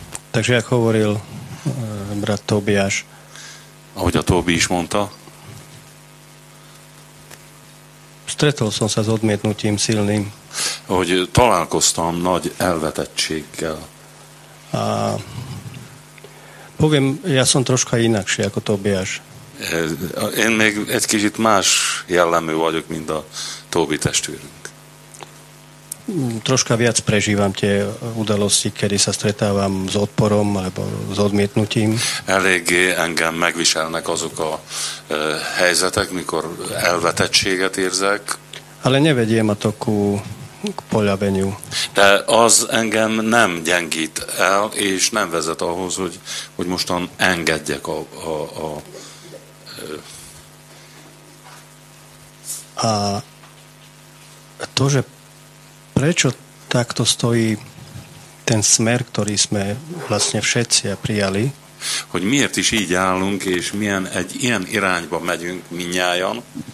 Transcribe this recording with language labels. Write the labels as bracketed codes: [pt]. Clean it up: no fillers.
[sk] Takže jak hovoril brat Tóbiáš. [hu] Ahogy a Tóbi is mondta. [sk] Stretol som sa s odmietnutím silným. [hu] Hogy találkoztam nagy elvetettséggel. [sk] A poviem, ja som troška inakší ako Tóbiáš. [hu] Én még egy kicsit más jellemű vagyok, mint a Tóbi testvérünk. [sk] Troška viac prežívam tie udalosti, kedy sa stretávam s odporom alebo s odmietnutím. [hu] Eléggé engem megviselnek azok a helyzetek, mikor elvetettséget érzek. [sk] Ale nevedie ma to ku poľaveniu. [hu] De az engem nem gyengít el, és nem vezet ahhoz, hogy mostan engedjek a [sk] to, že prečo takto stojí ten smer, ktorý sme vlastne všetci prijali? [hu] Hogy miért is így állunk, és milyen egy ilyen irányba megyünk minnyájan?